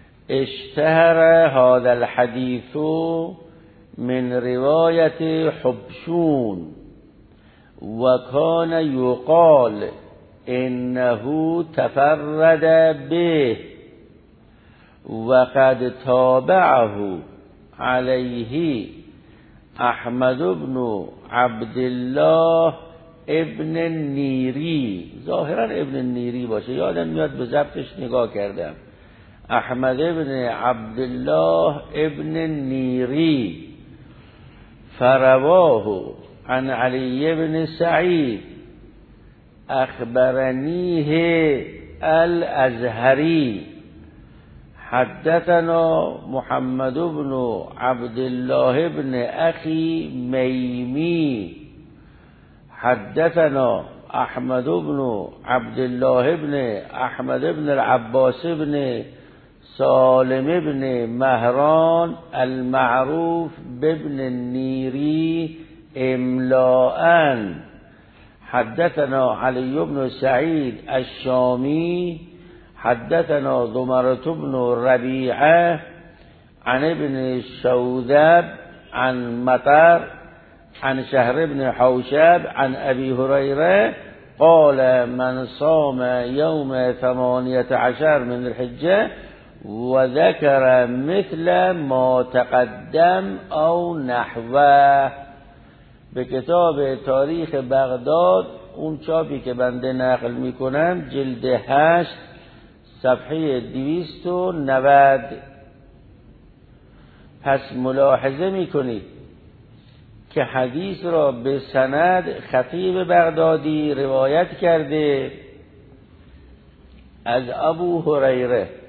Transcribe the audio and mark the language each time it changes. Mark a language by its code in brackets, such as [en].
[ar] اشتهر هذا الحديث من رواية حبشون وكان يقال إنه تفرد به وقد تابعه عليه أحمد بن عبد الله ابن النيري. [fa] ظاهرا ابن النيري باشه، یادم میاد به ضبطش نگاه کردم، احمد ابن عبد الله ابن نیری فرواه [ar] عن علی بن سعید اخبرنیه الازهری حدثنا محمد بن عبد الله بن اخي ميمي حدثنا احمد بن عبد الله بن احمد بن العباس بن سالم بن مهران المعروف بابن النيري املاءا حدثنا علي بن سعيد الشامي حدثنا ضمرة بن ربيعة عن ابن الشوذاب عن مطر عن شهر بن حوشاب عن أبي هريرة قال من صام يوم 18 من الحجة وذكر مثل ما تقدم أو نحوه. [fa] به کتاب تاریخ بغداد اون چاپی که بنده نقل میکنم جلد 8 صفحه 290. پس ملاحظه میکنید که حدیث را به سند خطیب بغدادی روایت کرده از ابو هریره.